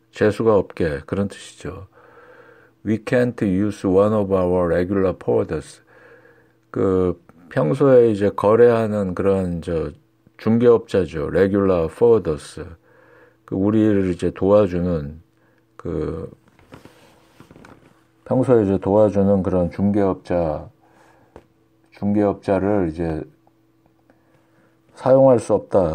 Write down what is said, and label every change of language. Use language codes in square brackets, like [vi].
[ko] 재수가 없게 그런 뜻이죠. [en] We can't use one of our regular forwarders. [ko] 그 평소에 이제 거래하는 그런 저 중개업자죠. [en] Regular forwarders. [ko] 그 우리를 이제 도와주는 그 평소에 이제 도와주는 그런 중개업자를 이제 사용할 수 없다.